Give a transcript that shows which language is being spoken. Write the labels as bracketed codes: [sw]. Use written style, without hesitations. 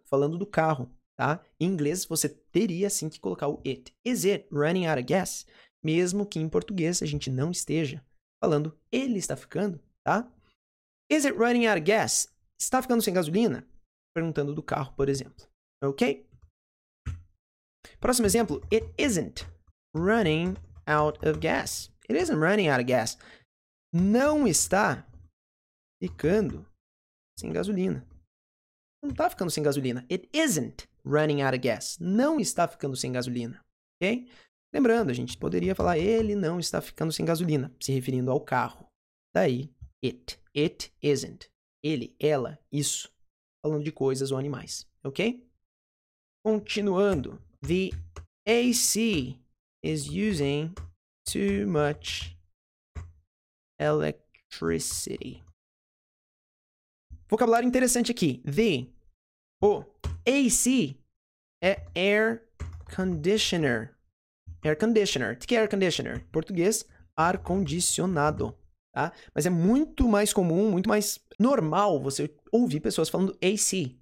[pt] Falando do carro, tá? Em inglês, você teria sim que colocar o it. [en] Is it running out of gas? [pt] Mesmo que em português a gente não esteja falando, ele está ficando, tá? [en] Is it running out of gas? [pt] Está ficando sem gasolina? Perguntando do carro, por exemplo. Ok? Próximo exemplo. [en] It isn't running out of gas. It isn't running out of gas. [pt] Não está ficando sem gasolina. Não está ficando sem gasolina. [en] It isn't running out of gas. [pt] Não está ficando sem gasolina. Ok? Lembrando, a gente poderia falar, ele não está ficando sem gasolina, se referindo ao carro. Daí, it. [en] It isn't. [pt] Ele, ela, isso. Falando de coisas ou animais. Ok? Continuando. [en] The AC is using too much electricity. [pt] Vocabulário interessante aqui. The. O. AC é air conditioner. Air conditioner. O que é air conditioner? Em português, ar-condicionado, tá? Mas é muito mais comum, muito mais normal você ouvir pessoas falando AC.